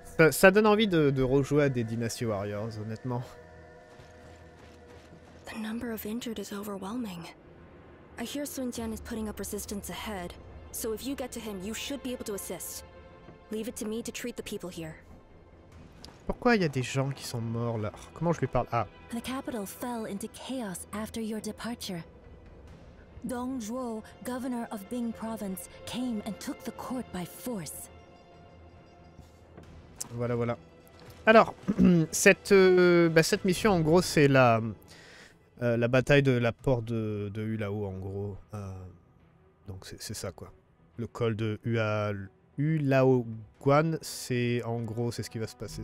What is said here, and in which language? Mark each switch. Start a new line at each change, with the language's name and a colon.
French: Ça donne envie de rejouer à des Dynasty Warriors, honnêtement.
English: The number of injured is overwhelming. I hear Sun Jian is putting up resistance ahead, so if you get to him, you should be able to assist. Leave it to me to treat the people here.
French: Pourquoi il y a des gens qui sont morts là? Comment je lui parle? Ah.
English: The capital fell into chaos after your departure. Dong Zhuo, governor of Bing province, came and took the court by force.
French: Voilà, voilà. Alors, cette mission, en gros, c'est la bataille de la porte de Hulao, en gros. Donc, c'est ça, quoi. Le col de Hulaoguan, c'est, en gros, c'est ce qui va se passer.